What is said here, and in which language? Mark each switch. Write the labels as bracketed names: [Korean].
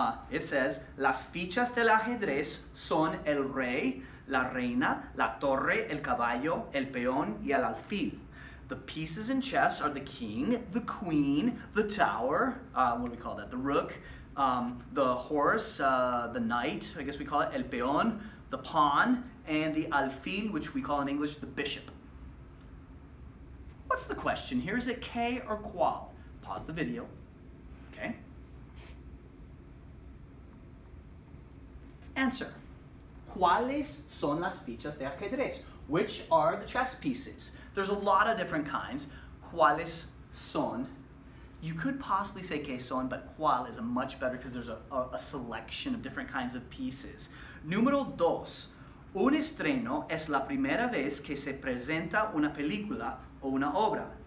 [English] It says, [Spanish] las fichas del ajedrez son el rey, la reina, la torre, el caballo, el peón y el alfil. [English] The pieces in chess are the king, the queen, the tower, what do we call that? The rook, the horse, the knight, I guess we call it, el peón, the pawn, and the alfil, which we call in English the bishop. What's the question here? Is it qué or cuál? Pause the video, okay? [Spanish] Answer. ¿Cuáles son las fichas de ajedrez? [English] Which are the chess pieces? There's a lot of different kinds. [Spanish] ¿Cuáles son? [English] You could possibly say queson, but cual is a much better because there's a selection of different kinds of pieces. [Spanish] Número dos. Un estreno es la primera vez que se presenta una película o una obra.